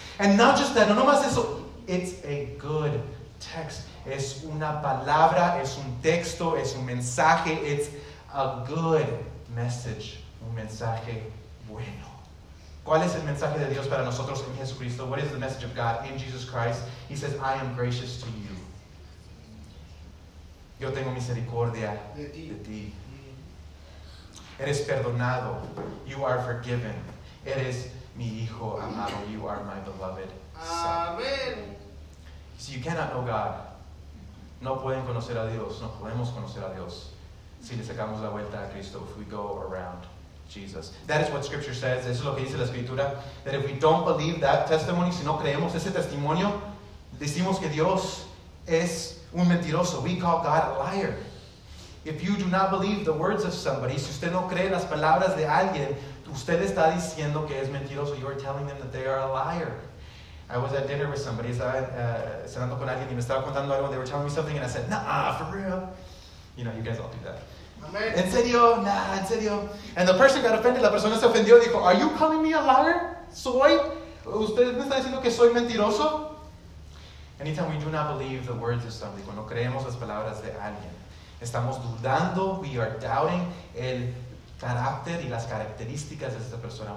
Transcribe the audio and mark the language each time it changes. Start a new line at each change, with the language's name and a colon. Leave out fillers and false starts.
English: And not just that,
Spanish: no más eso.
English: It's a good text.
Spanish: Es una palabra, es un texto, es un mensaje.
English: It's a good message.
Spanish: Un mensaje bueno. ¿Cuál es el mensaje de Dios para nosotros en Jesucristo?
English: What is the message of God in Jesus Christ? He says, I am gracious to you.
Spanish: Yo tengo misericordia de ti. Eres perdonado.
English: You are forgiven.
Spanish: Eres mi hijo amado.
English: You are my beloved son.
Spanish: Amen.
English: So you cannot know God.
Spanish: No pueden conocer a Dios. No podemos conocer a Dios. Si le sacamos la vuelta a Cristo,
English: if we go around Jesus. That is what Scripture says.
Spanish: Eso es lo que dice la Escritura.
English: That if we don't believe that testimony,
Spanish: si no creemos ese testimonio, decimos que Dios es un mentiroso.
English: We call God a liar. If you do not believe the words of somebody,
Spanish: si usted no cree las palabras de alguien, usted está diciendo que es mentiroso.
English: You are telling them that they are a liar. I was at dinner with somebody.
Spanish: Estaba cenando con alguien y me estaba contando algo.
English: They were telling me something and I said, nah, for real. You know, you guys all do that. Amen.
Spanish: En serio, nah, en serio.
English: And the person got offended.
Spanish: La persona se ofendió y dijo,
English: are you calling me a liar?
Spanish: Soy. Usted me está diciendo que soy mentiroso.
English: Anytime we do not believe the words of somebody,
Spanish: cuando creemos las palabras de alguien, estamos dudando,
English: we are doubting
Spanish: el carácter y las características de esta persona.